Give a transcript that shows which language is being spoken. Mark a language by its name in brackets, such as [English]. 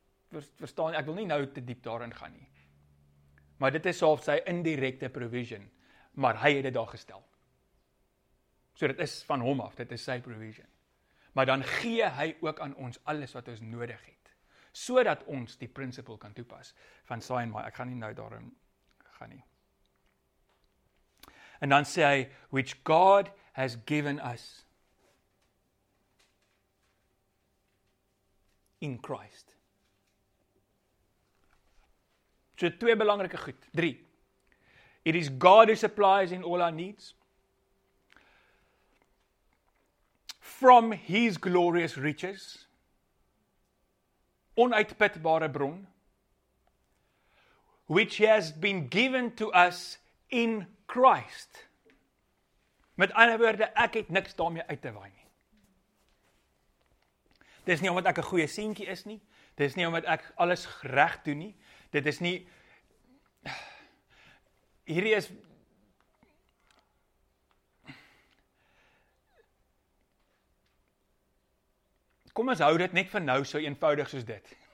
[Afrikaans] Verstaan, ek wil nie nou te diep daarin gaan nie. Maar dit is self sy indirekte provision, maar hy het dit daar gestel. So dit is van hom af, dit is sy provision. Maar dan gee hy ook aan ons alles wat ons nodig het, sodat ons die principle kan toepas van saai en maai. Ek gaan nie nou daarin gaan nie. En dan sê hy [English] which God has given us in Christ. [Afrikaans] So twee belangrike goed. 3. [English] It is God who supplies in all our needs. From his glorious riches. [Afrikaans] Onuitputbare bron. [English] Which has been given to us in Christ. [Afrikaans] Met ander woorde, ek het niks daarmee uit te waai nie. Dit is nie omdat ek 'n goeie seentjie is nie. Dit is nie omdat ek alles reg doen nie. Dit is nie hierdie is kom ons hou dit net vir nou so eenvoudig soos dit.